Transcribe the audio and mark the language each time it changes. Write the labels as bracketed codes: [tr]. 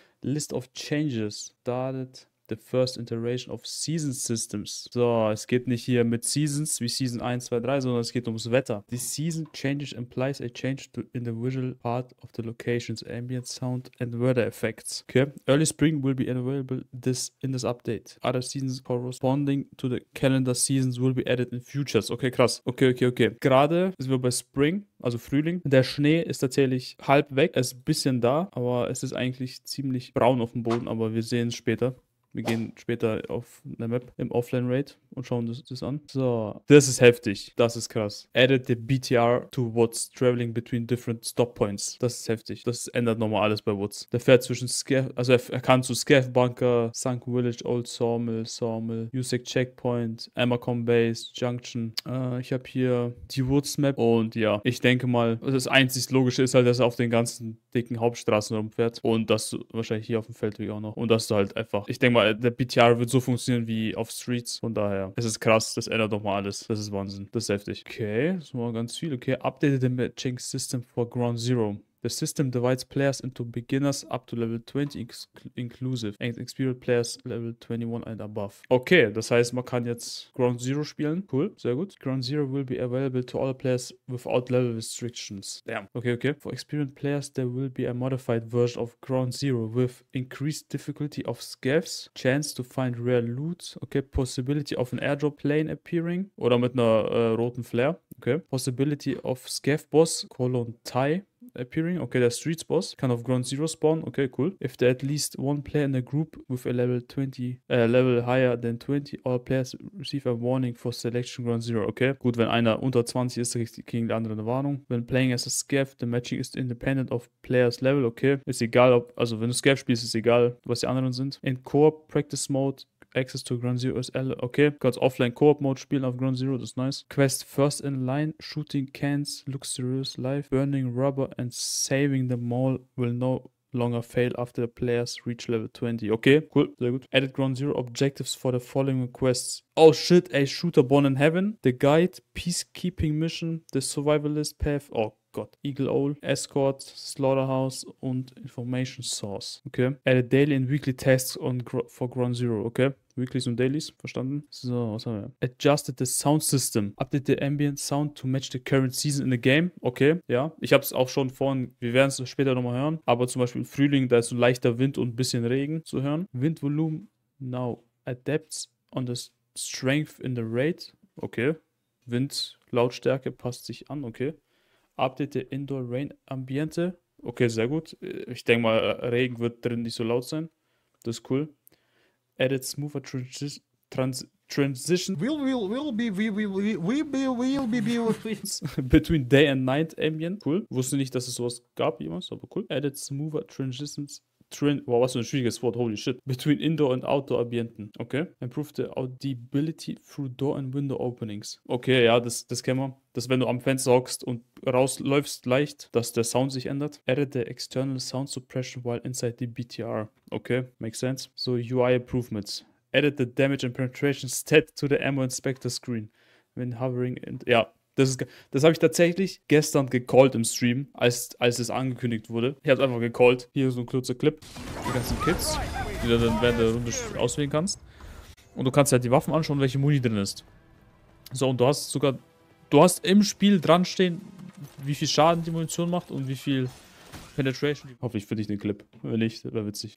[en] List of changes started the first iteration of season systems. [de] So, es geht nicht hier mit Seasons wie Season 1, 2, 3, sondern es geht ums Wetter. [en] The season changes implies a change to, in the visual part of the locations, ambient sound and weather effects. Okay, early spring will be available this in this update. Other seasons corresponding to the calendar seasons will be added in futures. [de] Okay, krass. Okay. Gerade sind wir bei Spring, also Frühling. Der Schnee ist tatsächlich halb weg. Er ist ein bisschen da, aber es ist eigentlich ziemlich braun auf dem Boden, aber wir sehen es später. Wir gehen später auf eine Map im Offline-Raid und schauen das an. So, das ist heftig. Das ist krass. [en] Added the BTR to Woods traveling between different stop points. [de] Das ist heftig. Das ändert nochmal alles bei Woods. Der fährt zwischen er kann zu Scav Bunker, Sunk Village, Old Sawmill, Usek Checkpoint, Amacom Base, Junction. Ich habe hier die Woods-Map und ja, ich denke mal, das einzig Logische ist halt, dass er auf den ganzen dicken Hauptstraßen rumfährt und dass du wahrscheinlich hier auf dem Feldweg auch noch und dass du halt einfach, ich denke, mal, der BTR wird so funktionieren wie auf Streets. Von daher, es ist krass, das ändert doch mal alles. Das ist Wahnsinn, das ist heftig. Okay, das war ganz viel. Okay, [en] updated the matching system for Ground Zero. The system divides players into beginners up to level 20 inclusive and experienced players level 21 and above. [de] Okay, das heißt, man kann jetzt Ground Zero spielen. [en] Cool, [de] sehr gut. [en] Ground Zero will be available to all players without level restrictions. Damn. Okay. For experienced players, there will be a modified version of Ground Zero with increased difficulty of scavs, chance to find rare loot, okay, possibility of an airdrop plane appearing [de] oder mit einer roten Flare, [en] okay, possibility of scav boss, colon Tai, appearing, okay, [de] der Streets Boss kann auf Ground Zero spawnen, [en] okay, cool. If there at least one player in a group with a level 20, level higher than 20, all players receive a warning for selection Ground Zero, okay. [de] Gut, wenn einer unter 20 ist, kriegen die anderen eine Warnung. [en] When playing as a Scav, the matching is independent of player's level, okay. [de] Ist egal, ob, also wenn du Scav spielst, ist egal, was die anderen sind. [en] In Co-op Practice Mode, Access to Ground Zero is L. [de] Okay, kannst offline Co-op-Mode spielen auf Ground Zero, das ist nice. [en] Quest first in line, shooting cans, luxurious life, burning rubber and saving the mall will no longer fail after the players reach level 20. Okay, cool, [de] sehr gut. [en] Added Ground Zero objectives for the following quests. Oh shit, a shooter born in heaven, the guide, peacekeeping mission, the survivalist path, [de] oh Gott, [en] Eagle Owl, Escort, Slaughterhouse und Information Source. Okay. Added daily and weekly tasks on for Ground Zero. [de] Okay. Weeklies und Dailies. Verstanden. So, was haben wir? [en] Adjusted the sound system. Update the ambient sound to match the current season in the game. [de] Okay. Ja. Ich habe es auch schon vorhin, wir werden es später nochmal hören. Aber zum Beispiel im Frühling, da ist so ein leichter Wind und ein bisschen Regen zu hören. [en] Wind Volume now adapts on the strength in the raid. [de] Okay. Windlautstärke passt sich an. Okay. [en] Update the Indoor Rain Ambiente. Okay, [de] sehr gut. Ich denke mal, Regen wird drin nicht so laut sein. Das ist cool. [en] Added smoother transition. Between Day and Night Ambient. Cool. [de] Wusste nicht, dass es sowas gab jemals, aber cool. [en] Added smoother transitions. [de] Wow, was für ein schwieriges Wort, [en] holy shit. Between Indoor and Outdoor Ambienten. Okay. Improve the audibility through door and window openings. [de] Okay, ja, das kennen wir. Dass wenn du am Fenster hockst und rausläufst leicht, dass der Sound sich ändert. [en] Added the external sound suppression while inside the BTR. Okay, makes sense. So, UI improvements. Added the damage and penetration stat to the ammo inspector screen. When hovering and... Ja. [de] Das habe ich tatsächlich gestern gecallt im Stream, als es angekündigt wurde. Ich habe es einfach gecallt. Hier so ein kurzer Clip. Die ganzen Kits, die du dann während der Runde auswählen kannst. Und du kannst halt die Waffen anschauen, welche Muni drin ist. So, und du hast im Spiel dran stehen, wie viel Schaden die Munition macht und wie viel Penetration. Hoffentlich finde ich den Clip. Wenn nicht, wäre witzig.